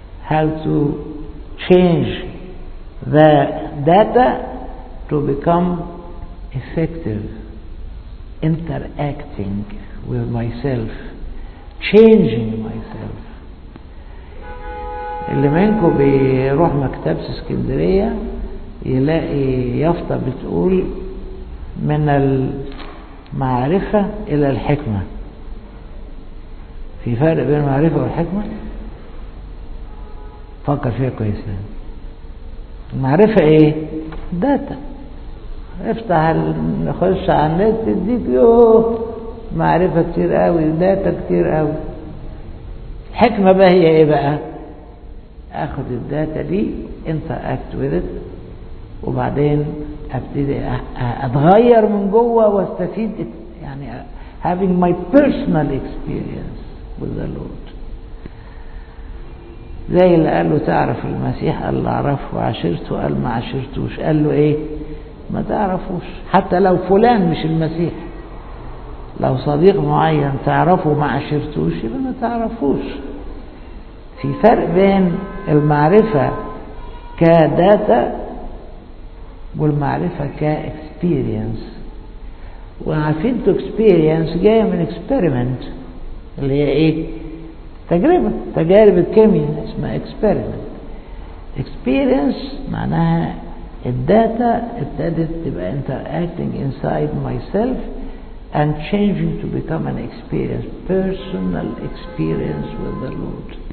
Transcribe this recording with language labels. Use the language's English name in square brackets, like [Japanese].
[English] How to change the data to become effective, interacting with myself, changing myself. [Arabic] اللي منكم بيروح مكتبة اسكندرية يلاقي يافطة بتقول من المعرفة إلى الحكمة. في فرق بين المعرفة والحكمة؟ فكر فيها كويس. المعرفة إيه؟ داتا. افتح نخش على النت تديك يوه معرفة كتير قوي، داتا كتير قوي. الحكمة بقى هي إيه بقى؟ أخذ الداتا دي [English] interact with it [Arabic] وبعدين ابتدي اتغير من جوه واستفيد يعني [English] having my personal experience with the Lord. [Arabic] زي اللي قال له تعرف المسيح؟ قال له اعرفه عشرته. قال ما عشرتوش. قال له ايه؟ ما تعرفوش. حتى لو فلان مش المسيح، لو صديق معين تعرفه ما عشرتوش يبقى ما تعرفوش. في فرق بين المعرفة كداتا والمعرفة كاكسبيرينس. وعارفين تو اكسبيرينس جاية من اكسبيرمنت، اللي هي ايه؟ تجربة، تجارب الكيمياء اسمها اكسبيرمنت. اكسبيرينس معناها الداتا ابتدت تبقى [English] interacting inside myself and changing to become an experience, personal experience with the Lord.